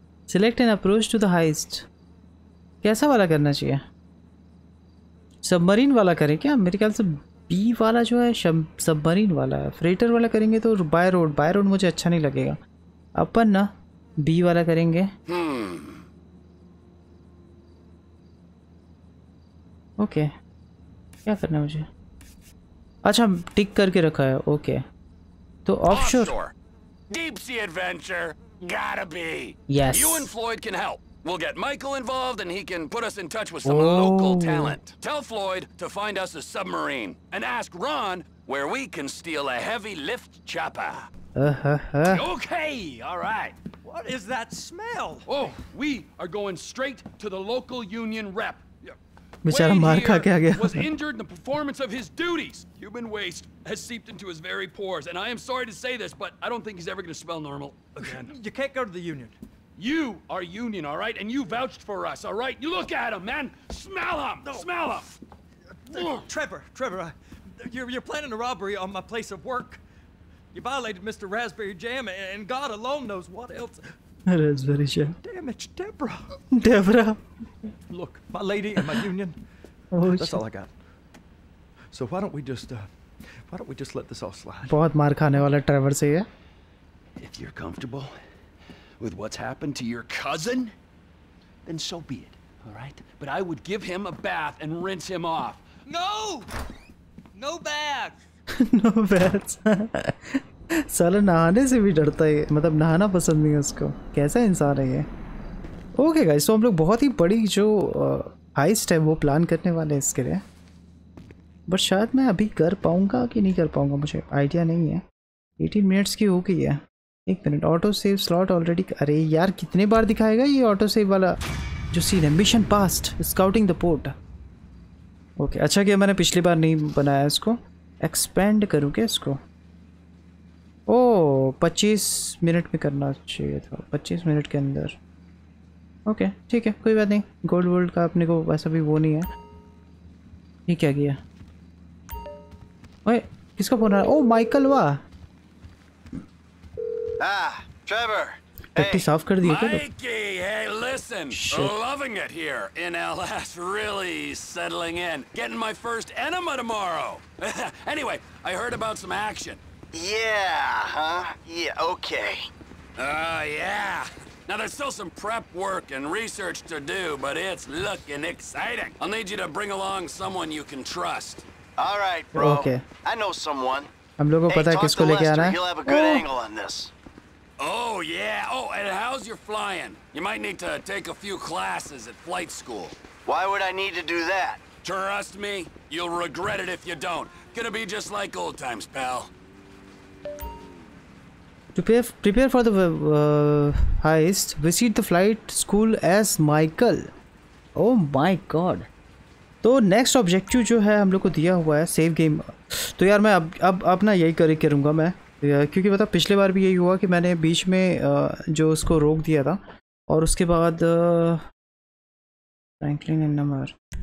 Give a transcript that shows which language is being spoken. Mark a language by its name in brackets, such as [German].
[English] Select an approach to the heist. [Hindi] कैसा वाला करना चाहिए? Submarine वाला करें क्या? मेरे ख्याल से B वाला जो है submarine वाला है. Freighter वाला करेंगे तो by road. By road मुझे अच्छा नहीं लगेगा. अपन ना बी वाला करेंगे। ओके क्या करना है मुझे? अच्छा टिक करके रखा है। ओके तो offshore [English] Deep sea adventure gotta be. Yes you and Floyd can help, we will get Michael involved and he can put us in touch with some local talent. Tell Floyd to find us a submarine and ask Ron where we can steal a heavy lift chopper. Okay, all right. What is that smell? Oh, we are going straight to the local union rep. [Hindi] बेचारा मार खा के आ गया। [English] Was injured in the performance of his duties. Human waste has seeped into his very pores, and I am sorry to say this, but I don't think he's ever going to smell normal again. You can't go to the union. You are union, all right, and you vouched for us, all right. You look at him, man. Smell him. No. Smell him. Trevor, you're planning a robbery on my place of work. You violated Mr. Raspberry Jam, and God alone knows what else. Raspberry Jam. Damn it, Deborah. Deborah. Look, my lady and my union. That's all I got. So why don't we just, let this all slide? [Hindi] बहुत मार खाने वाला Trevor से ये. [English] If you're comfortable with what's happened to your cousin, then so be it. All right. But I would give him a bath and rinse him off. No. No bath. No bats. [Hindi] साला नहाने से भी डरता है, मतलब नहाना पसंद नहीं है उसको, कैसा इंसान है ये। ओके गाइस, तो हम लोग बहुत ही बड़ी जो हाइस्ट है वो प्लान करने वाले हैं इसके लिए, बट शायद मैं अभी कर पाऊंगा कि नहीं कर पाऊंगा मुझे आइडिया नहीं है। 18 मिनट्स की हो गई है। एक minute, auto save slot already. अरे यार कितने बार दिखाएगा ये ऑटो सेव वाला जो सीन है। Mission past, scouting the port. Okay अच्छा क्या मैंने पिछली बार नहीं बनाया इसको, एक्सपेंड करूँ क्या इसको? ओ 25 मिनट में करना चाहिए था, 25 मिनट के अंदर। ओके ठीक है कोई बात नहीं, गोल्ड वोल्ड का अपने को वैसा भी वो नहीं है। ये क्या किया? ओए किसका फोन आ रहा है? ओ माइकल, वाह। आह ट्रेवर, पट्टी साफ कर दी क्या? [English] Mikey, hey, listen, loving it here in LS, really settling in. Getting my first enema tomorrow. Anyway, I heard about some action. Yeah, huh? Yeah, okay. Yeah. Now there's still some prep work and research to do, but it's looking exciting. I'll need you to bring along someone you can trust. All right, bro. Okay. I know someone. [Hindi] हम लोगों को पता है किसको लेके आना है? [English] You'll have a good angle on this. Oh yeah. Oh, and how's your flying? You might need to take a few classes at flight school. Why would I need to do that? Trust me, you'll regret it if you don't. Gonna be just like old times, pal. To prepare for the heist, visit the flight school as Michael. Oh my god. [Hindi] तो next objective जो है हम लोग को दिया हुआ है save game. तो यार मैं अब ना यही करूँगा मैं, क्योंकि पता पिछले बार भी यही हुआ कि मैंने बीच में जो उसको रोक दिया था और उसके बाद फ्रैंकलिन एंड नंबर